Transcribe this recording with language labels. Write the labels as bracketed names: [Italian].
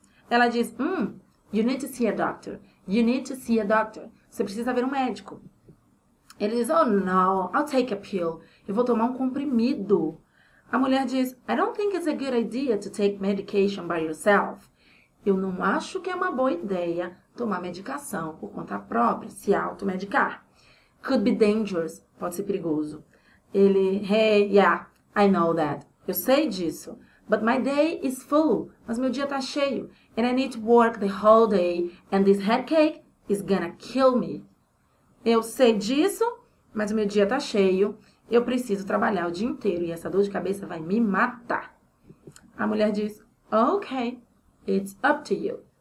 [Portuguese] Ela diz, [English] you need to see a doctor. [Portuguese] Você precisa ver um médico. Ele diz, [English] oh, no, I'll take a pill. [Portuguese] Eu vou tomar um comprimido. A mulher diz, [English] I don't think it's a good idea to take medication by yourself. [Portuguese] Eu não acho que é uma boa ideia tomar medicação por conta própria, se automedicar. [English] Could be dangerous. [Portuguese] Pode ser perigoso. Ele, [English] hey, yeah, I know that. [Portuguese] Eu sei disso. [English] But my day is full. [Portuguese] Mas meu dia tá cheio. [English] And I need to work the whole day. And this headache is gonna kill me. [Portuguese] Eu sei disso, mas meu dia tá cheio. Eu preciso trabalhar o dia inteiro. E essa dor de cabeça vai me matar. A mulher diz, [English] okay, it's up to you.